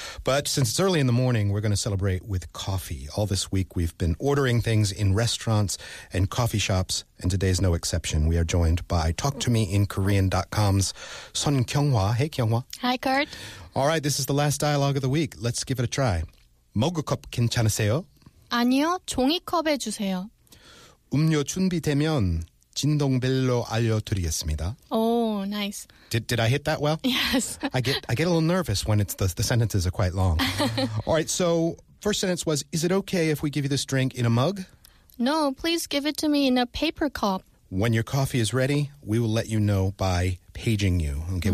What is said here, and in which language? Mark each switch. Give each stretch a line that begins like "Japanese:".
English: But since it's early in the morning, we're going to celebrate with coffee. All this week, we've been ordering things in restaurants and coffee shops, and today is no exception. We are joined by TalkToMeInKorean.com's Son Kyung-hwa. Hey, Kyung-hwa. Hi, Kurt. All right, this is the last dialogue of the week. Let's give it a try.
Korean: 모그컵 괜찮으세요? 아니요, 종이컵에 주세요. 음료 준비되면 진동벨로 알려드리겠습니다.
English: Oh, nice. Did I hit that well? Yes. I get a little nervous when it's the sentences are quite long. All right, so first sentence was, is it okay if we give you this drink in a mug? No, please give it to me in a paper cup. When your coffee is ready, we will let you know by paging you. Okay, mm-hmm.